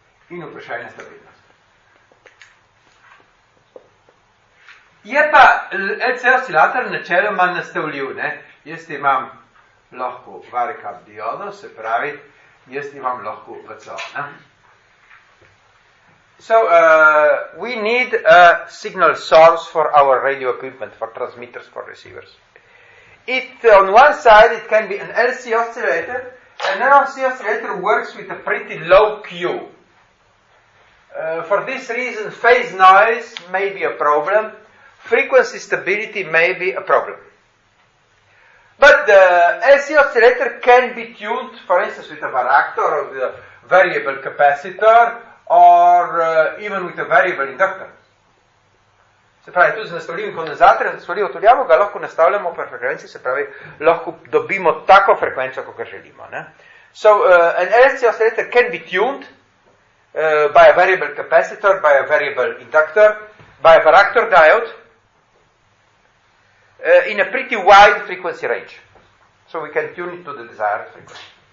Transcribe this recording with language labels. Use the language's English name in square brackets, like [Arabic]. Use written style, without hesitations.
[Slovenian] In vprašanje stabilnost. Je pa LC oscilator načeloma nastavljiv, ne? Jaz imam lahko varikap diodo, se pravi, jaz imam lahko VCO, ne? [English] So, we need a signal source for our radio equipment, for transmitters, for receivers. It, on one side, it can be an LC oscillator, and an LC oscillator works with a pretty low Q. For this reason, phase noise may be a problem, frequency stability may be a problem. But the LC oscillator can be tuned, for instance, with a varactor or with a variable capacitor, or even with a variable inductor. [Slovenian] Se pravi, tudi z nastavljivim kondenzatorjem, nastavljivo tudijamo, ga lahko nastavljamo per frekvenci, se pravi, lahko dobimo tako frekvenco, kot ga želimo. Ne? [English] So, an LC oscillator can be tuned by a variable capacitor, by a variable inductor, by a varactor diode, in a pretty wide frequency range. So we can tune it to the desired frequency.